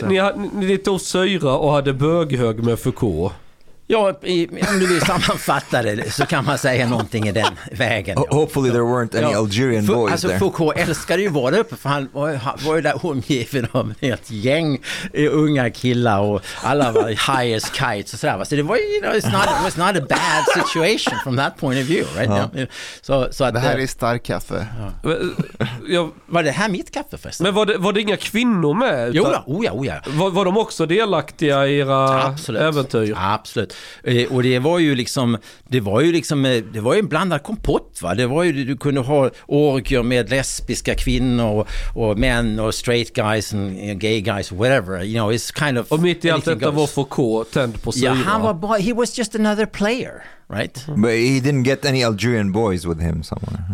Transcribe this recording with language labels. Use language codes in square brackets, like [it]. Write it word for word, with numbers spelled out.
[sv] Så ni hade, ni hade, ni tog syra och hade böghög med Foucault. Ja, i, om du vill sammanfatta det så kan man säga någonting i den vägen. Ja. [en] Hopefully there weren't any ja. Algerian boys [sv] alltså, [en] there. [sv] Foucault älskade ju vara uppe för han var, han var ju där omgiven av ett gäng unga killar och alla var [en] high as kites [sv] och sådär. Så det var ju, [en] you know, it's not, it was not a bad situation from that point of view. [sv] Right? Ja. Så, så att, det här är stark kaffe. Ja. Jag, var det här mitt kaffe förresten? Men var det, var det inga kvinnor med? Jo, ja, oh ja, oh ja. Var, var de också delaktiga i era absolut. Äventyr? Absolut. Och det var ju liksom det var ju liksom det var ju en blandad kompott, va. Det var ju, du kunde ha orgier med lesbiska kvinnor och, och män och [en] straight guys and gay guys, whatever, you know, it's kind of. [sv] Och mitt i allt detta var Foucault tänd på sig. Ja, han var bara, [en] he was just another player, right? But he didn't get any Algerian boys with him somewhere.